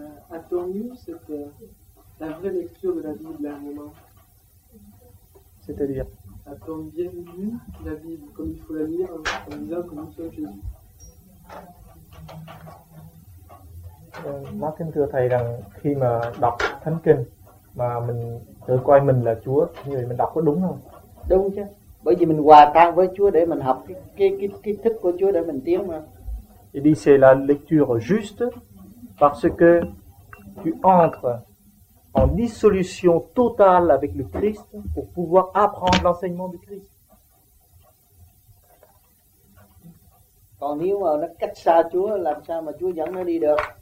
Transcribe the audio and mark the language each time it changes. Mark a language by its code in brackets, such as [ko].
[fr] A-t-on eu la vraie lecture de la Bible à un moment? C'est-à-dire? A-t-on bien lu la Bible comme il faut la lire en disant que nous sommes Jésus? [vi] Má kính thưa Thầy rằng khi mà đọc Thánh Kinh mà mình tự coi mình là Chúa thì mình đọc có đúng không? Đúng chứ. Bởi vì mình hòa tan với Chúa để mình học cái thức của Chúa để mình tiến mà. [fr] Il dit c'est la lecture juste parce que tu entres en dissolution totale avec le Christ pour pouvoir apprendre l'enseignement du Christ. [vi] Còn nếu mà nó cách xa Chúa, làm sao mà Chúa dẫn nó đi được?